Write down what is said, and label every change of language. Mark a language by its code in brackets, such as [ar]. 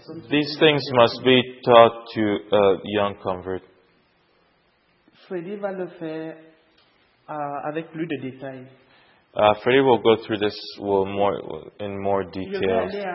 [en] These things must be taught to a young convert. [fr] Freddy va le faire avec plus de détails. [en] Freddy will go through this in more detail.